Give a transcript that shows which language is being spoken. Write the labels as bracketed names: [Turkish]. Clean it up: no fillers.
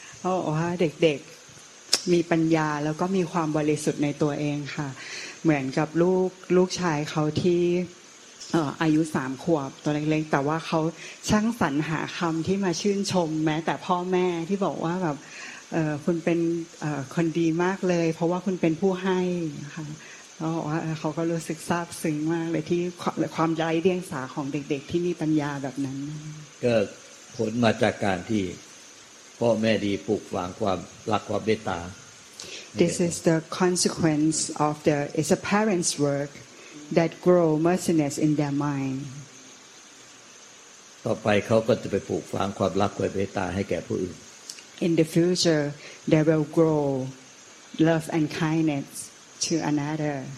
[Thai] Oh, เด็กมีปัญญาแล้วก็มีความบริสุทธิ์ในตัวเองค่ะเหมือนกับลูกชายเขาที่อายุ3ขวบตัวเล็กๆแต่ว่าเขาช่างสรรหาคำที่มาชื่นชมแม้แต่พ่อแม่ที่บอกว่าแบบคุณเป็นคนดีมากเลยเพราะว่าคุณเป็นผู้ให้ค่ะเขาบอกว่าเขาก็รู้สึกซาบซึ้งมากเลยที่ความไร้เดียงสาของเด็กๆที่มีปัญญาแบบนั้น ก็ผลมาจากการที่พ่อแม่ดีปลูกฝังความรักความเมตตา [English] This is the consequence of the it's a parents' work that grow merciness in their mind [Thai] ต่อไปเขาก็จะไปปลูกฝังความรักความเมตตาให้แก่ผู้อื่น [English] In the future they will grow love and kindnessto another